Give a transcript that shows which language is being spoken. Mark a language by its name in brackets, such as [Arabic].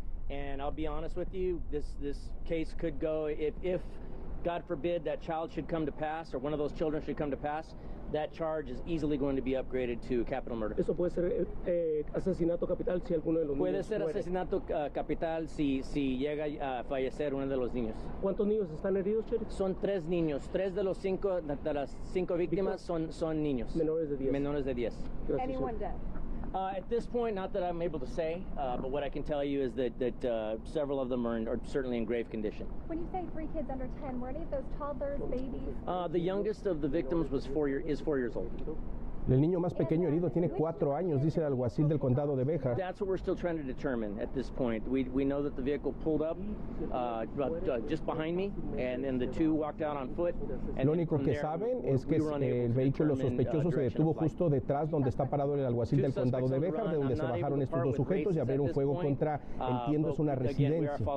[English] And I'll be honest with you, this case could go, if God forbid that child should come to pass, or one of those children should come to pass, that charge is easily going to be upgraded to capital murder. [Spanish] Eso puede ser asesinato capital si alguno de los niños muere. Puede ser asesinato capital si llega a fallecer uno de los niños. ¿Cuántos niños están heridos, Sheriff? Son 3 niños. 3 de los 5, de las 5 víctimas son niños. Menores de 10. Menores de 10. Gracias, [English] anyone dead? At this point, not that I'm able to say, but what I can tell you is that several of them are certainly in grave condition. When you say 3 kids under 10, were any of those toddlers, babies? The youngest of the victims is 4 years old. [Spanish] El niño más pequeño herido tiene 4 años, dice el alguacil del condado de Béjar. [English] That's what we're still trying to determine at this point. We know that the vehicle pulled up just behind me, and then the two walked out on foot. [Spanish] Lo único que saben es que el vehículo sospechoso se detuvo justo detrás donde está parado el alguacil del condado de Béjar, de donde se bajaron estos dos sujetos y abrieron fuego contra, entiendo, es una residencia.